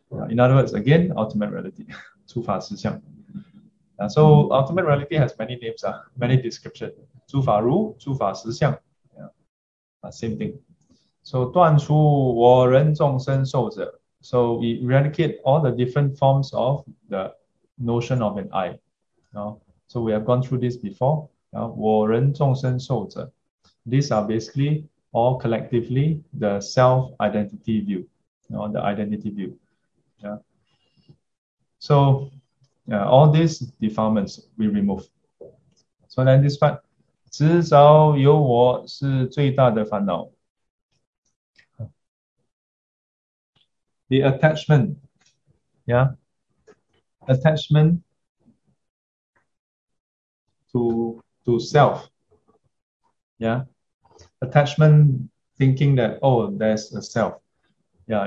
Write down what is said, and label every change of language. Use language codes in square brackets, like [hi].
[en] In other words, again, ultimate reality, 诸法实相. So ultimate reality has many names, many descriptions. 诸法如, 诸法实相, same thing. [zh] So 断除我人众生受者. [en] So we eradicate all the different forms of the notion of an I. So we have gone through this before. [zh] 我人众生受者. [en] These are basically all collectively the self-identity view. The identity view. So all these defilements we remove. So then this part, [zh] 执着有我是最大的烦恼. [en] The attachment, yeah, attachment to self, yeah, attachment thinking that, oh, there's a self, yeah.